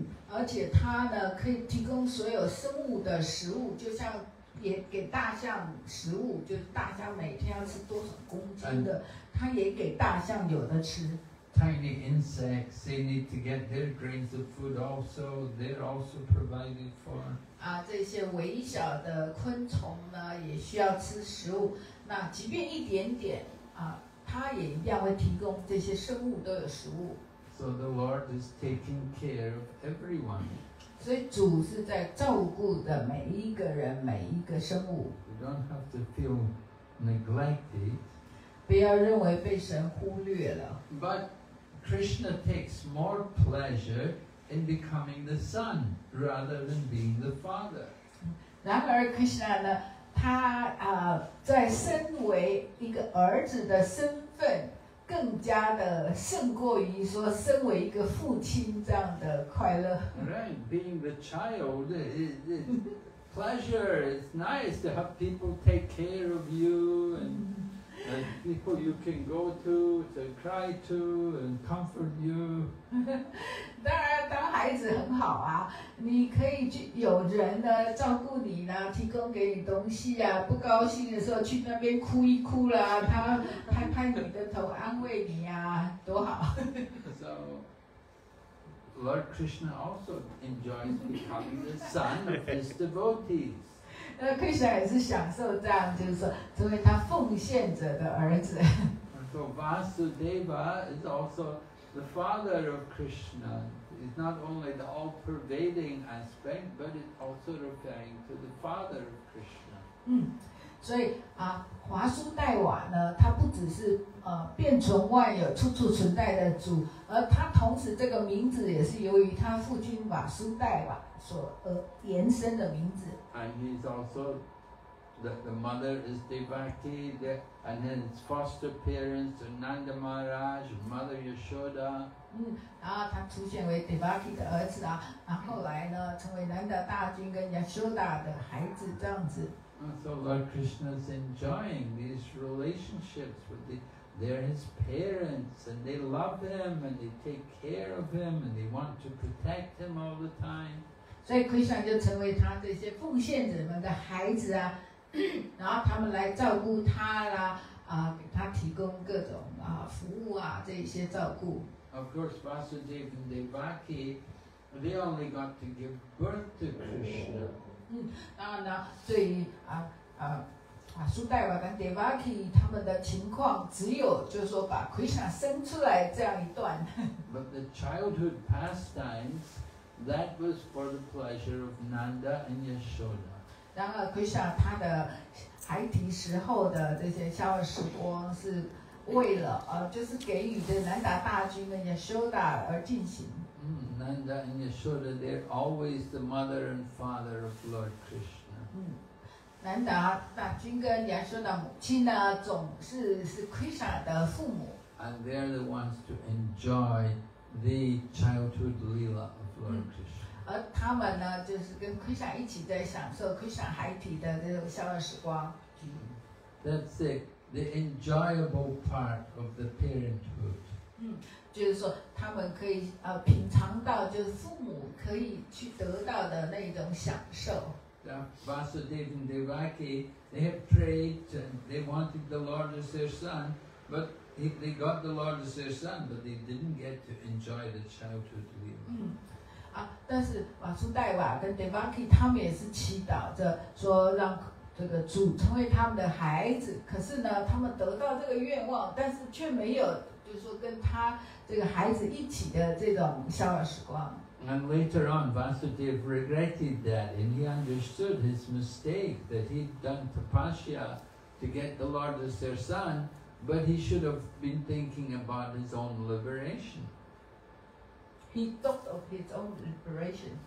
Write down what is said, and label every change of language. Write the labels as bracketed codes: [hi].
[zh] 而且他呢可以提供所有生物的食物，就像也给大象食物，就是大象每天要吃多少公斤的，他也给大象有的吃。 [en] tiny insects, they need to get their grains of food also, they're also provided for. [zh] 啊，这些微小的昆虫呢，也需要吃食物。那即便一点点啊，它也一样会提供这些生物都有食物。 [en] So the Lord is taking care of everyone. [zh] 所以主是在照顾的每一个人，每一个生物。 [en] You don't have to feel neglected. [zh] 不要认为被神忽略了。 [en] But Krishna takes more pleasure. In becoming the son rather than being the father. [zh] 然而 Krishna 呢，他啊在身为一个儿子的身份，更加的胜过于说身为一个父亲这样的快乐。 [en] Right, being the child is pleasure. It's nice to have people take care of you and people you can go to cry to and comfort you. [zh] 当然当孩子很好啊，你可以去有人呢照顾你呢，提供给你东西啊，不高兴的时候去那边哭一哭啦，他拍拍你的头安慰你啊，多好。 [en] So Lord Krishna also enjoys becoming the son of his devotees. [zh] 那 Krishna 也是享受这样，就是说成为他奉献者的儿子。 [en] So Vasudeva is also the father of Krishna. It's not only the all-pervading aspect, but it's also referring to the father of Krishna. [zh] 嗯，所以啊，华苏代瓦呢，他不只是遍存万有、处处存在的主，而他同时这个名字也是由于他父亲瓦苏代瓦所延伸的名字。 [en] And he's also the mother is Devaki, and his foster parents are Nanda Maharaj, Mother Yashoda. [zh] 嗯，然后他出现为 Devaki 的儿子啊，然后来呢成为 Nanda 大君跟 Yashoda 的孩子这样子。 [en] So Lord Krishna is enjoying these relationships with the, they're his parents and they love him and they take care of him and they want to protect him all the time. [zh] 所以 Krishna 就成为他这些奉献者们的孩子啊，然后他们来照顾他啦，给他提供各种服务啊，这些照顾。 [en] Of course, Vasudeva and Devaki, they only got to give birth to Krishna. [zh] 嗯，当然呢，对于苏代瓦跟 Devaki 他们的情况，只有就是说把 Krishna 生出来这样一段。 [en] But the childhood pastimes, that was for the pleasure of Nanda and Yashoda. [zh] 然而 Krishna 他的孩提时候的这些校园时光，是为了就是给予的南达大君跟 Yashoda 而进行。 [en] Nanda and Yashoda, they're always the mother and father of Lord Krishna. [zh] Nanda, 大君跟 Yashoda 母亲呢，总是是 Krishna 的父母。 [en] And they're the ones to enjoy the childhood leela of Lord Krishna. [zh] 而他们呢，就是跟 Krishna 一起在享受 Krishna 孩提的这种逍遥时光。 [en] That's it, the enjoyable part of the parenthood. [zh] 就是说他们可以品尝到就是父母可以去得到的那种享受。 [en] Vasudeva and Devaki, they have prayed and they wanted the Lord as their son, but they got the Lord as their son, but they didn't get to enjoy the childhood leela. [zh] 嗯，但是瓦苏代瓦跟 Devaki 他们也是祈祷着说让这个主成为他们的孩子，可是呢他们得到这个愿望，但是却没有就是说跟他这个孩子一起的这种逍遥时光。 [en] And later on, Vasudev regretted that, and he understood his mistake that he'd done tapasya to get the Lord as their son, but he should have been thinking about his own liberation. He thought of his own liberation.